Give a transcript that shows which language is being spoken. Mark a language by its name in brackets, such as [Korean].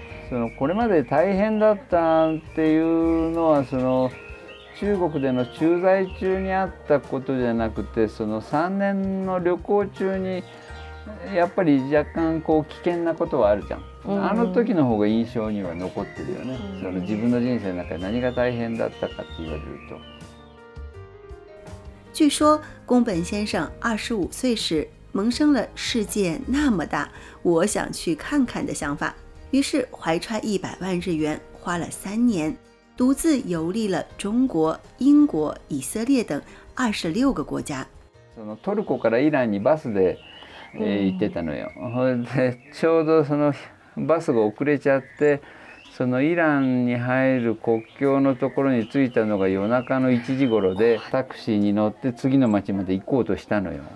[Japanese] そのこれまで大変だったっていうのはその中国での駐在中にあったことじゃなくて、その三年の旅行中にやっぱり若干こう危険なことはあるじゃん。あの時の方が印象には残ってるよね。その自分の人生の中で何が大変だったかって言われると。 [Chinese] 据说宫本先生25岁时萌生了世界那么大，我想去看看的想法，于是怀揣100万日元，花了3年，独自游历了中国、英国、以色列等26个国家。 [Japanese] そのトルコからイランにバスで行ってたのよ。ちょうどそのバスが遅れちゃって。そのイランに入る国境のところに着いたのが夜中の1時頃で、タクシーに乗って次の町まで行こうとしたのよ。